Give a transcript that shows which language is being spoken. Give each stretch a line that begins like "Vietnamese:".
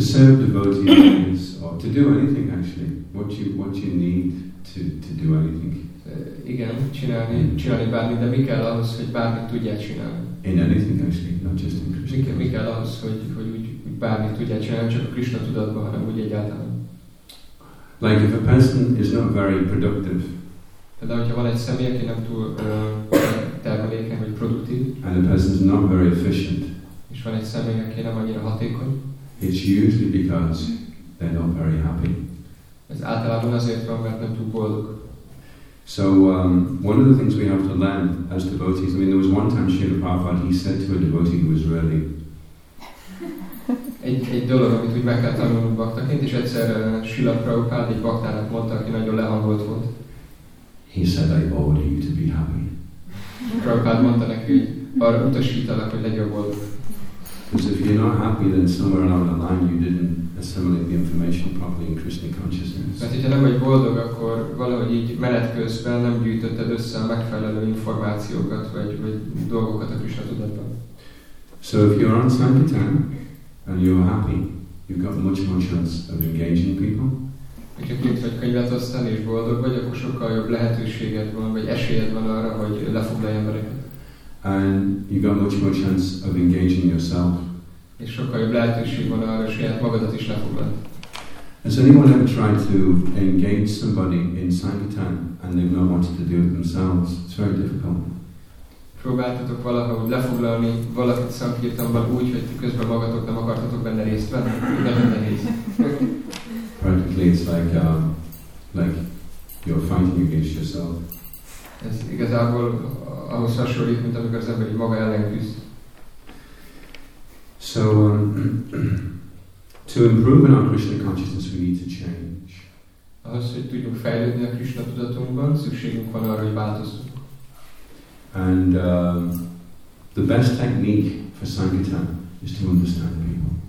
English: serve devotees is, or to do anything actually, what you need to do anything.
Hungarian: Igen, csinálni bármi, de mi kell ahhoz, hogy bármit tudjál csinálni?
English: In anything actually, not just in Krishna.
Hungarian: Mi kell ahhoz, hogy úgy bármit tudjál csinálni, csak a Krishna tudatban, hanem úgy egyáltalán?
English: Like if a person is not very productive.
Hungarian: Tehát, hogyha van egy személy, aki nem túl termelékeny, vagy produktív.
English: And a person is not very efficient.
Hungarian: És van egy személy, aki nem annyira hatékony.
English: It's usually because they're not very happy.
Hungarian: Ez általában azért van, mert nem túl boldog.
English: So one of the things we have to learn as devotees, I mean, there was one time Srila Prabhupada, he said to a devotee who was really...
Hungarian: Egy dolog, amit úgy meg kell tanulnunk baktaként, és egyszer Srila Prabhupada egy baktának mondta, aki nagyon lehangolt volt.
English: He said, I order you to be happy.
Hungarian: Prabhupada mondta neki, hogy arra utasítalak, hogy legyen boldog.
English: Because if you're not happy, then somewhere along the line you didn't assimilate the information properly in Krishna consciousness.
Hungarian: Mert hogyha nem vagy boldog, akkor valahogy így menet közben nem gyűjtötted össze a megfelelő információkat, vagy dolgokat a Krishna tudatban.
English: So if you're on Sankirtan and you're happy, you've got much more chance of engaging people.
Hungarian: Hogyha kint vagy könyvet osztani és boldog vagy, akkor sokkal jobb lehetőséged van, vagy esélyed van arra, hogy lefoglalj embereket.
English: And you got much more chance of engaging yourself.
Hungarian: És sokkal jobb lehetőség van arra, saját magadat is lefoglalni.
English: Has anyone ever tried to engage somebody in Sankirtan and they've not wanted to do it themselves? It's very difficult.
Hungarian: Próbáltatok valahogy lefoglalni valakit Sankirtanban úgy, hogy közben magatok nem akartatok benne részt venni? Nagyon nehéz.
English: Practically it's like you're fighting against yourself.
Hungarian: Ez igazából ahhoz hasonlít, mint amikor az ember maga ellen küzd.
English: So, to improve in our Krishna consciousness, we need to change.
Hungarian: Ahhoz, hogy tudjunk fejlődni a Krishna tudatunkban, szükségünk van arra, hogy változunk.
English: And the best technique for Sankirtan is to understand people.